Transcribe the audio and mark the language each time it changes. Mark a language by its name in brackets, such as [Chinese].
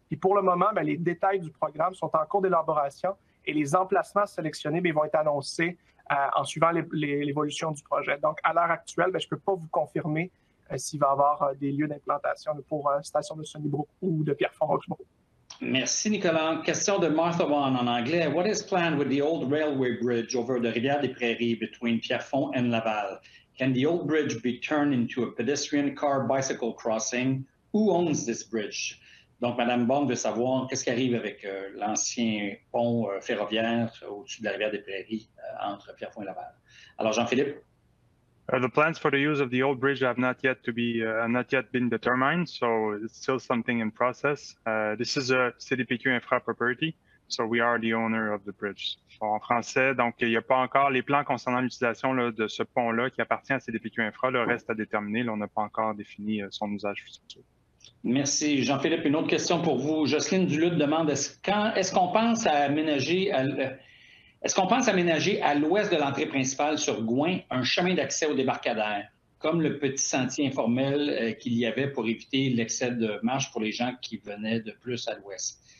[French] Et pour le moment, bien, les détails du programme sont en cours d'élaboration et les emplacements sélectionnés bien, vont être annoncés en suivant l'évolution du projet. Donc, à l'heure actuelle, bien, je ne peux pas vous confirmer s'il va y avoir des lieux d'implantation pour station de Sunnybrook ou de Pierrefonds-Roxboro. Merci, Nicolas. Question de Martha Wan en anglais. [English] What is planned with the old railway bridge over the Rivière-des-Prairies between Pierrefonds and Laval? Can the old bridge be turned into a pedestrian car bicycle crossing? Who owns this bridge? [French] Donc, Madame Bond veut savoir qu'est-ce qui arrive avec l'ancien pont ferroviaire au-dessus de la Rivière-des-Prairies entre Pierrefonds et Laval. Alors, Jean-Philippe? [English] The plans for the use of the old bridge have not yet been determined, so it's still something in process. This is a CDPQ infra property, So we are the owner of the bridge. [French] Bon, en français, donc il n'y a pas encore les plans concernant l'utilisation là, de ce pont-là qui appartient à CDPQ Infra. Le reste à déterminer. Là, on n'a pas encore défini son usage futur. Merci. Jean-Philippe, une autre question pour vous. Jocelyne Duluth demande, est-ce qu'on pense aménager à l'ouest de l'entrée principale sur Gouin un chemin d'accès au débarcadère, comme le petit sentier informel qu'il y avait pour éviter l'excès de marche pour les gens qui venaient de plus à l'ouest?